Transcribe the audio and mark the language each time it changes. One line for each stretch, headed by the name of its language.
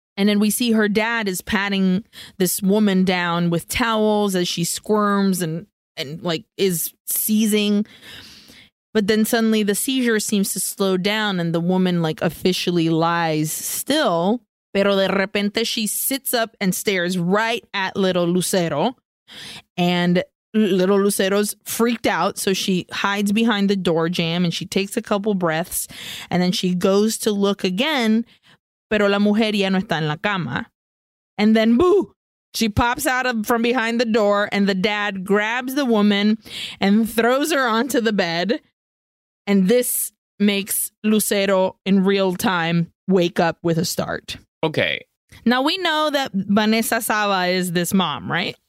English: And then we see her dad is patting this woman down with towels as she squirms and like is seizing, but then suddenly the seizure seems to slow down and the woman like officially lies still.
Spanish: Pero de repente
English: she sits up and stares right at little Lucero, and little Lucero's freaked out. So she hides behind the door jamb and she takes a couple breaths and then she goes to look again.
Spanish: Pero la mujer ya no está en la cama.
English: And then boo. She pops out of from behind the door and the dad grabs the woman and throws her onto the bed. And this makes Lucero in real time wake up with a start. Okay. Now we know that Vanessa Saba is this mom, right?